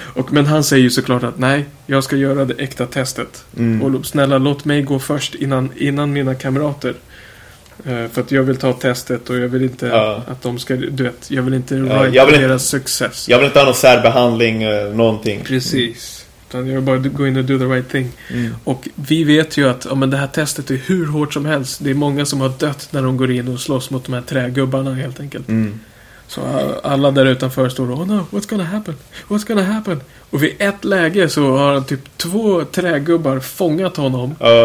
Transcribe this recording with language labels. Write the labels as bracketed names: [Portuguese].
[Swedish] Men han säger ju såklart att nej, jag ska göra det äkta testet. Och snälla, låt mig gå först innan mina kamrater. För att jag vill ta testet och jag vill inte att de ska, du vet, jag vill inte rajta deras success. Jag vill inte ha någon särbehandling, någonting. Precis. Utan jag vill bara [English] go in and do the right thing. [Swedish] Och vi vet ju att men det här testet är hur hårt som helst. Det är många som har dött när de går in och slåss mot de här trägubbarna, helt enkelt. Så alla där utanför står och, [English] oh no, what's gonna happen? What's gonna happen? [Swedish] Och vid ett läge så har han typ två trägubbar fångat honom.